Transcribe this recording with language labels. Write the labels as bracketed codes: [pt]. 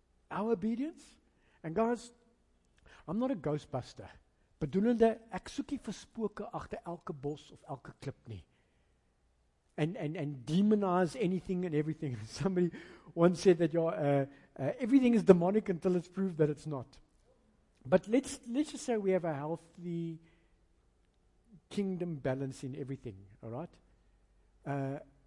[en] Our obedience. And guys, I'm not a ghostbuster. [af] Bedoelende, ek soekie vir spooke agter elke bos of elke klip nie. [en] And demonize anything and everything. Somebody once said that everything is demonic until it's proved that it's not. But let's just say we have a healthy kingdom balance in everything, all right?